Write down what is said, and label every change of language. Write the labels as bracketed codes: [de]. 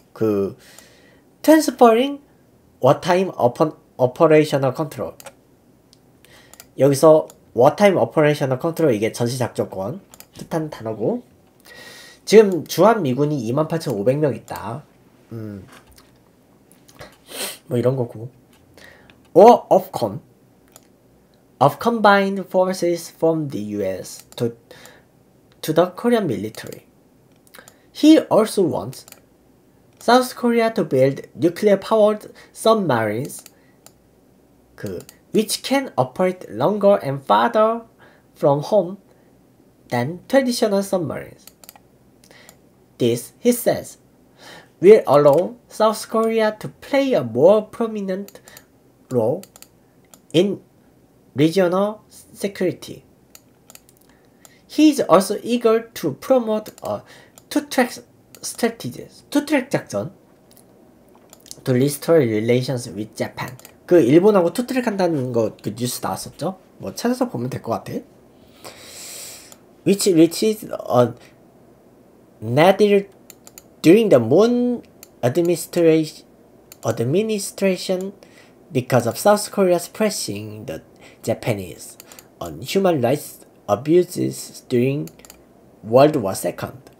[en] 그 transferring wartime operational control. [ko] 여기서 [en] wartime operational control, [ko] 이게 전시 작전권 뜻하는 단어고. 지금 주한 미군이 28,500명 있다. 뭐 이런 거고. [en] Or of combined forces from the US to the Korean military. He also wants South Korea to build nuclear-powered submarines, which can operate longer and farther from home than traditional submarines. This, he says, will allow South Korea to play a more prominent role in regional security. He is also eager to promote a two-track strategy, two-track 작전, to restore relations with Japan. [ko] 그 일본하고 투트랙 한다는 거그 뉴스 나왔었죠? 뭐 찾아서 보면 될것 같아. [en] Which is a nadir during the Moon administration because of South Korea's pressing the Japanese on human rights abuses during World War II.